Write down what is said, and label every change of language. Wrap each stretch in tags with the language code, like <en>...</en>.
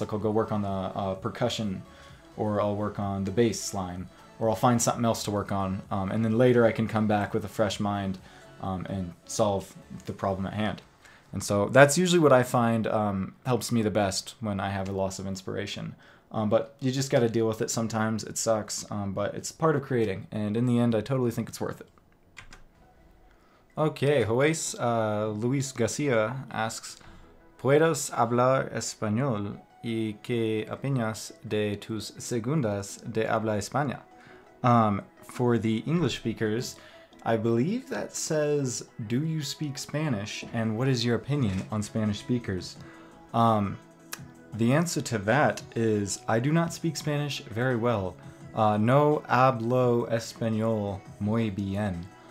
<en>Like I'll go work on the percussion, or I'll work on the bass line, or I'll find something else to work on, and then later I can come back with a fresh mind and solve the problem at hand. And so that's usually what I find helps me the best when I have a loss of inspiration. But you just gotta deal with it sometimes, it sucks, but it's part of creating, and in the end I totally think it's worth it.</en> <es>Okay, Jueves Luis Garcia asks, ¿Puedes hablar español y qué opinas de tus segundas de habla España?</es> <en>For the English speakers, I believe that says, do you speak Spanish, and what is your opinion on Spanish speakers? The answer to that is, I do not speak Spanish very well.</en> <es>No hablo español muy bien.</es>